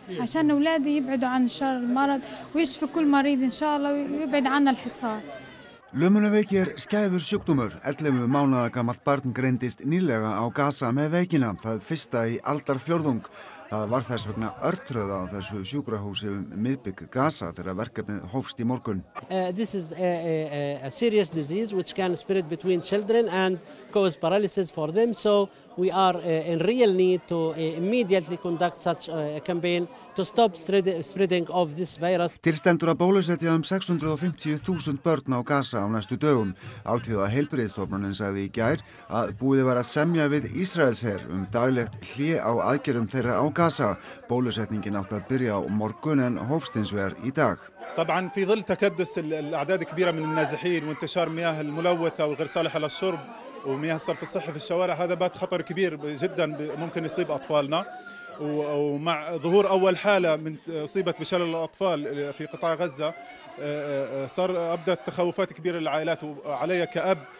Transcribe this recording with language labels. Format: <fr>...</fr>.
<ar>عشان اولادي يبعدوا عن شر المرض ويشفي كل مريض ان شاء الله ويبعد عنا الحصار</ar> <is>Lömunarveiki er skæður sjúkdómur. 11 mánaða gamalt barn greindist nýlega á Gaza með veikina, það fyrsta í aldarfjórðung. Það var þess vegna örtröð á þessu sjúkrahúsi um miðbygg Gaza þegar verkefnið hófst í morgun.</is> <en>This is a serious disease which can spread between children and cause paralysis for them. So we are in real need to immediately conduct such a campaign to stop spreading of this virus.</en> <is>Til stendur að bólusetja 650.000 börn á Gaza á næstu dögum. Alþjóða heilbrigðisstofnunin sagði í gær að búið var að semja við Ísraelsher daglegt hlé á aðgerðum þeirra á Gaza. Bólusetningin átti að byrja á morgun en hófst hins vegar í dag.</is> <ar>طبعا في ظل تكدس الاعداد الكبيره من النازحين وانتشار مياه الملوثه وغير صالحه للشرب ومياه الصرف الصحي في الشوارع هذا بات خطر كبير جدا ممكن يصيب اطفالنا ومع ظهور اول حاله من اصيبت بشلل الاطفال في قطاع غزه صار ابدت تخوفات كبيره للعائلات وعلي كاب</ar>